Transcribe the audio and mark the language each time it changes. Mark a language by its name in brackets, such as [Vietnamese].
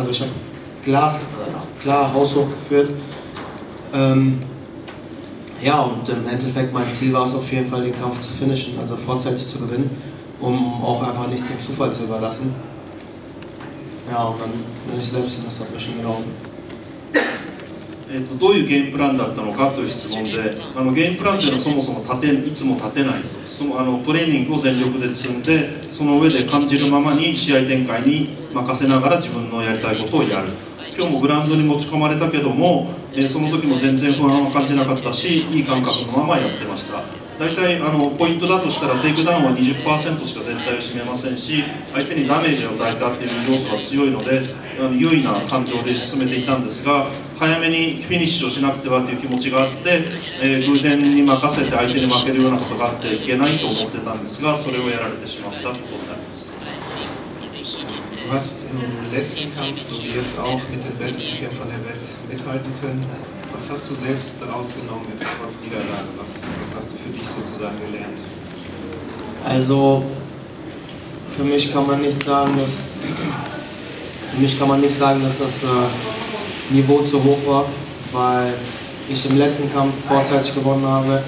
[German] Also ich habe Glas klar haushoch geführt. Ja, und im Endeffekt, mein Ziel war es auf jeden Fall, den Kampf zu finishen, also vorzeitig zu gewinnen, um auch einfach nichts dem Zufall zu überlassen. Ja, und dann bin ich selbst in das Submission gelaufen. [Japanese] どういうゲームプランだったのかという質問で、あのゲームプランというのはそもそも立ていつも立てないと、そのあのトレーニングを全力で積んで、その上で感じるままに試合展開に任せながら自分のやりたいことをやる。今日もグラウンドに持ち込まれたけども、その時も全然不安は感じなかったし、いい感覚のままやってました。大体あのポイントだとしたら、テイクダウンは 20% しか全体を占めませんし、相手にダメージを与えたっていう要素が強いので、あの優位な感情で進めていたんですが、早めにフィニッシュをしなくてはという気持ちがあって、偶然に任せて相手に負けるようなことがあって、消えないと思ってたんですが、それをやられてしまったということになります。 [German] Du hast im letzten Kampf, so wie jetzt auch, mit den besten Kämpfern der Welt mithalten können. Was hast du selbst daraus genommen, mit trotz Niederlage? Was hast du für dich sozusagen gelernt? Also, für mich kann man nicht sagen, dass, für mich kann man nicht sagen, dass das Niveau zu hoch war, weil ich im letzten Kampf vorzeitig gewonnen habe.